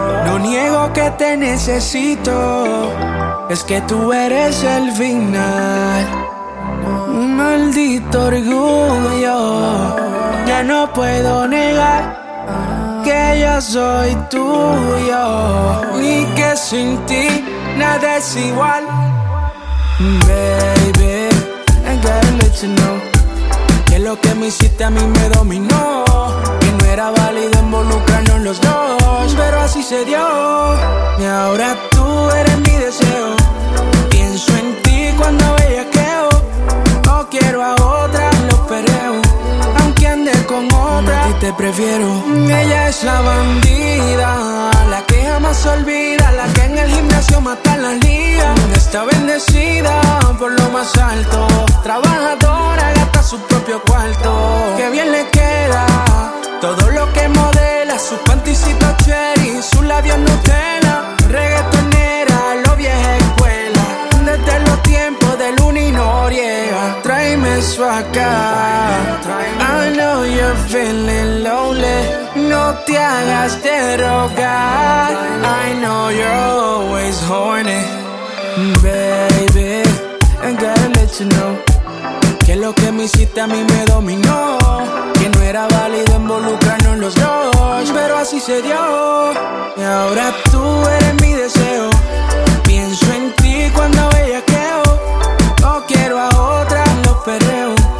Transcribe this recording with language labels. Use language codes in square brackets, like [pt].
[es] No niego que te necesito. Es que tú eres el final. Maldito orgullo. Ya no puedo negar que yo soy tuyo. Y que sin ti nada es igual. [en] Baby, I gotta let you know. [es] Que lo que me hiciste a mí me dominó. Que no era válido involucrarnos los dos. Pero así se dio. Y ahora tú eres mi deseo. Pienso en ti cuando bellaqueo. No quiero a otra en los perreos. Aunque ande con otra, a ti te prefiero. Ella es la bandida. La que jamás olvida. La que en el gimnasio mata a la liga. Está bendecida por lo más alto. Trabajadora, gasta su propio cuarto. Qué bien le queda todo lo que modela. Su panticito cherry, su labios Nutella. Reggaetonera, lo vieja escuela. Desde los tiempos de Luna y Noriega. Tráeme eso acá. [en] I know you're feeling lonely. [es] No te hagas de rogar. [en] I know you're always horny. Baby, I gotta let you know. [es] Que lo que me hiciste a mí me dominó. Que no era válido involucrarnos los dos. Pero así se dio. Y ahora tú eres mi deseo. Pienso en ti cuando bellaqueo. No quiero a otra en los perreos.